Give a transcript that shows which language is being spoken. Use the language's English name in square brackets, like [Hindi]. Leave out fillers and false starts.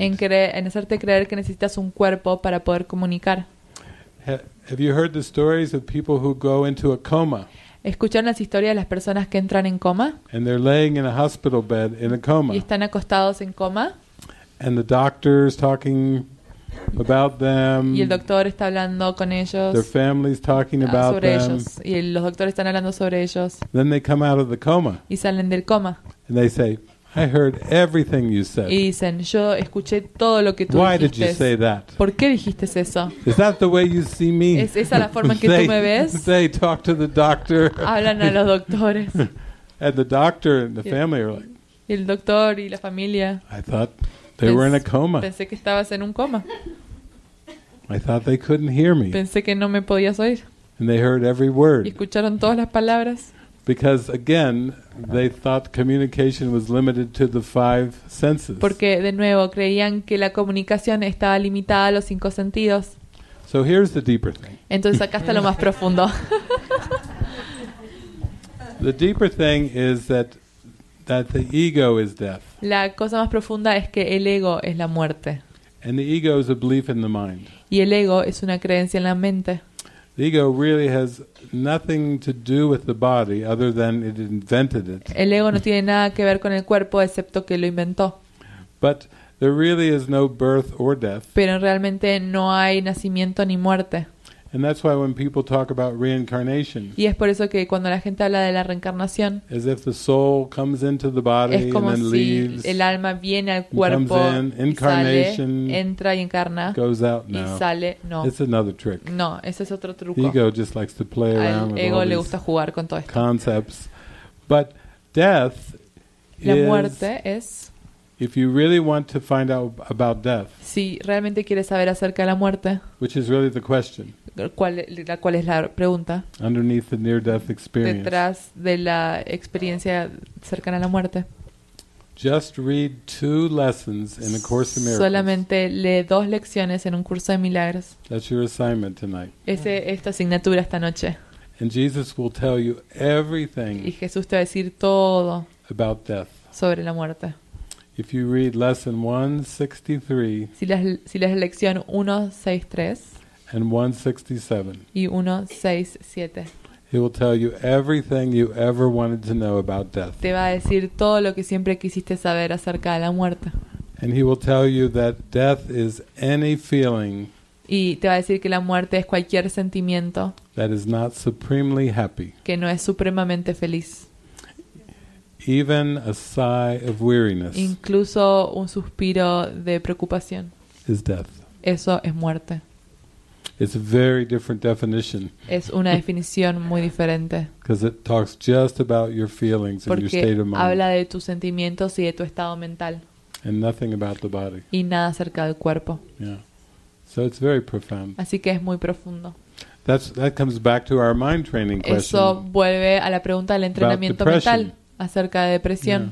[Spanish] En hacerte creer que necesitas un cuerpo para poder comunicar. [English] Have you heard the stories of people who go into a coma? [Spanish] ¿Escucharon las historias de las personas que entran en coma? [English] And they're laying in a hospital bed in a coma. [Spanish] Y están acostados en coma. [English] And the doctor's talking about them. [Spanish] Y el doctor está hablando con ellos. [English] Their family's talking about [Spanish] sobre [English] them. [Spanish] Ellos. Y los doctores están hablando sobre ellos. [English] Then they come out of the coma. [Spanish] Y salen del coma. [English] And they say, I heard everything you said. [Spanish] Y dicen, yo escuché todo lo que tú [English] Why [Spanish] dijiste. [English] Did you say that? [Spanish] ¿Por qué dijiste eso? [English] Is that the way you see me? [Spanish] ¿Es esa la forma en que tú me ves? [English] They talk to the doctor. [Spanish] Hablan a los doctores. [English] And the doctor and the family are like, [Spanish] y el doctor y la familia. [English] I thought they were in a coma. [Spanish] Pensé que estabas en un coma. [English] I thought they couldn't hear me. [Spanish] Pensé que no me podías oír. [English] And they heard every word. [Spanish] Y escucharon todas las palabras. [English] Because again, they thought communication was limited to the five senses. [Spanish] Porque de nuevo creían que la comunicación estaba limitada a los cinco sentidos. [English] So here's the deeper thing. [Spanish] Entonces acá está lo más profundo. [English] The deeper thing is that the ego is death. [Spanish] La cosa más profunda es que el ego es la muerte. [English] And the ego is a belief in the mind. [Spanish] Y el ego es una creencia en la mente. [English] The ego really has nothing to do with the body other than it invented it. [Spanish] El ego no tiene nada que ver con el cuerpo excepto que lo inventó. [English] But there really is no birth or death. [Spanish] Pero realmente no hay nacimiento ni muerte. [English] And that's why when people talk about reincarnation. [Spanish] Y es por eso que cuando la gente habla de la reencarnación. [English] As if the soul comes into the body [Spanish] es como [English] and then [Spanish] si [English] leaves. [Spanish] El alma viene al cuerpo. [English] Comes in, incarnation. [Spanish] Y sale, entra y encarna. [English] Goes out now. [Spanish] Y sale, no. [English] It's another trick. [Spanish] No, ese es otro truco. [English] The ego just likes to play around [Spanish] al ego [English] with all [Spanish] le gusta jugar con todo esto. [English] Concepts. But death [Spanish] la muerte es [English] if you really want to find out about death, [Spanish] si realmente quieres saber acerca de la muerte, [English] which is really the question, [Spanish] cuál es la pregunta, [English] underneath the near-death experience, [Spanish] detrás de la experiencia cercana a la muerte, [English] just read two lessons in A Course in Miracles. [Spanish] Solamente lee dos lecciones en un curso de milagros. [English] That's your assignment tonight. [Spanish] Ese es tu asignatura esta noche. [English] And Jesus will tell you everything. [Spanish] Y Jesús te va a decir todo [English] about death. [Spanish] Sobre la muerte. [English] If you read lesson 163, [Spanish] si lees lección 163 [English] and 167, [Spanish] y 167, [English] he will tell you everything you ever wanted to know about death. [Spanish] Te va a decir todo lo que siempre quisiste saber acerca de la muerte. [English] And he will tell you that death is any feeling. [Spanish] Y te va a decir que la muerte es cualquier sentimiento. [English] That is not supremely happy. [Spanish] Que no es supremamente feliz. [English] Even a sigh of weariness. [Spanish] Incluso un suspiro de preocupación. [English] Is death. [Spanish] eso es muerte. [English] It's a very different definition. [Spanish] Es una definición muy diferente. [English] Because it talks just about your feelings [Spanish] porque [English] and your state of mind. [Spanish] Habla de tus sentimientos y de tu estado mental. [English] And nothing about the body. [Spanish] Y nada acerca del cuerpo. [English] Yeah. So it's very profound. [Spanish] Así que es muy profundo. [English] That comes back to our mind training question. [Spanish] Eso vuelve a la pregunta del entrenamiento mental acerca de depresión.